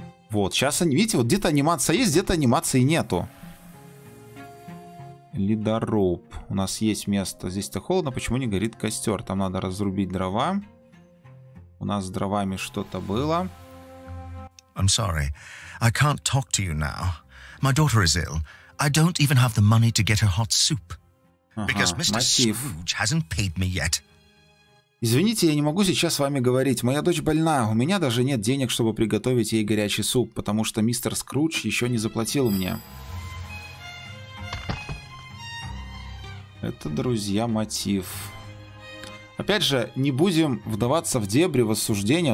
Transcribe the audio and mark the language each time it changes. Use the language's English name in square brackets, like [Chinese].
[Russian] Вот, сейчас они, видите, вот где-то анимация есть, где-то анимации нету. Ледоруб. У нас есть место. Здесь-то холодно, почему не горит костер? Там надо разрубить дрова. У нас с дровами что-то было. [English] I'm sorry. I can't talk to you now. My daughter is ill. I don't even have the money to get her hot soup. Because Mr. Scrooge hasn't paid me yet. [Russian] Извините, я не могу сейчас с вами говорить. Моя дочь больна. У меня даже нет денег, чтобы приготовить ей горячий суп, потому что мистер Скрудж еще не заплатил мне. Это, друзья, мотив. Опять же, не будем вдаваться в дебри, в осуждения.